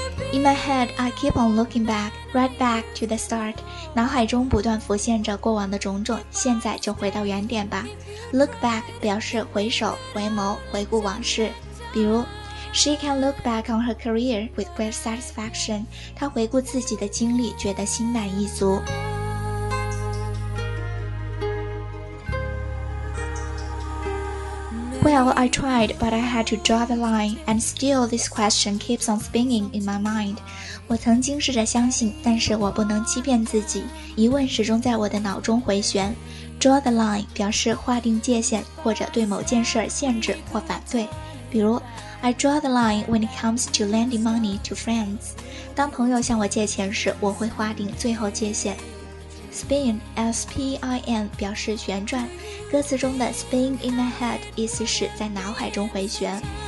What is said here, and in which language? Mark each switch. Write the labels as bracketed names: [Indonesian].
[English] In my head, I keep on looking back, right back to the start. [Chinese] 脑海中不断浮现着过往的种种，现在就回到原点吧。 Look back 表示回首、回眸、回顾往事。 [English] 比如 ，She can look back on her career with great satisfaction. [Chinese] 她回顾自己的经历，觉得心满意足。 [English] Well, I tried, but I had to draw the line, and still this question keeps on spinning in my mind. [Chinese] 我曾经试着相信，但是我不能欺骗自己，疑问始终在我的脑中回旋。 Draw the line 表示划定界限，或者对某件事限制或反对。 [English] 比如 I draw the line when it comes to lending money to friends. [Chinese] 当朋友向我借钱时，我会划定最后界限。 Spin, S-P-I-N, 表示旋转，歌词中的 spin in my head 意思是在脑海中回旋。